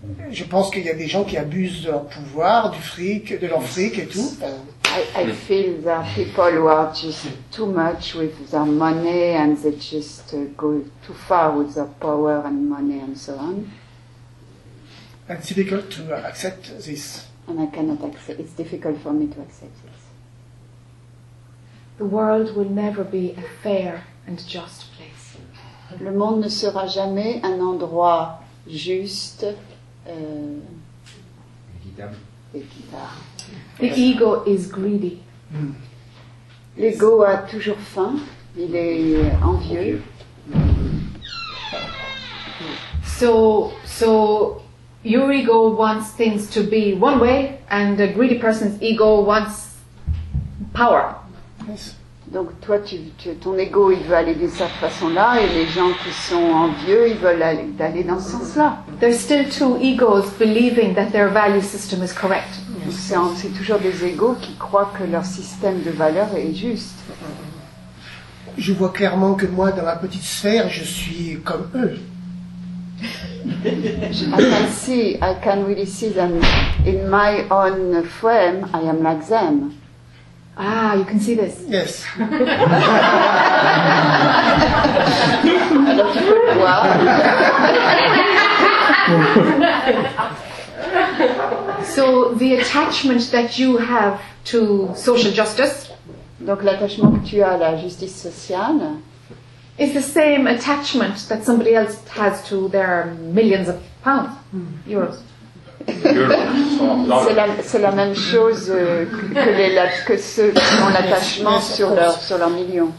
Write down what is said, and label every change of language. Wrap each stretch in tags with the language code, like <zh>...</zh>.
<fr>Je pense qu'il y a des gens qui abusent de leur pouvoir, du fric, de leur fric et tout.</fr> <en>I feel that people who are just too much with their money and they just go too far with their power and money and so on. It's difficult to accept this. And I cannot accept. It's difficult for me to accept this. The world will never be a fair and just place.</en> <fr>Le monde ne sera jamais un endroit juste, équitable. Équitable.</fr> <en>L'ego is greedy.</en> <fr>L'ego a toujours faim, il est envieux.</fr> <en>So, your ego wants things to be one way, and a greedy person's ego wants power. Yes.</en> <fr>Donc toi, ton ego, il veut aller de cette façon-là, et les gens qui sont envieux, ils veulent aller dans ce sens-là.</fr> <en>There's still two egos believing that their value system is correct.</en> <fr>C'est toujours des égos qui croient que leur système de valeurs est juste. Je vois clairement que moi, dans ma petite sphère, je suis comme eux.</fr> <en>I can really see them in my own frame. I am like them. Ah, you can see this. Yes.</en> <fr>Alors tu peux le voir.</fr> <en>So the attachment that you have to social justice,</en> <fr>donc l'attachement que tu as à la justice sociale,</fr> <en>is the same attachment that somebody else has to their millions of pounds, euros.</en> <fr>C'est la même chose mon attachement sur leur million.</fr>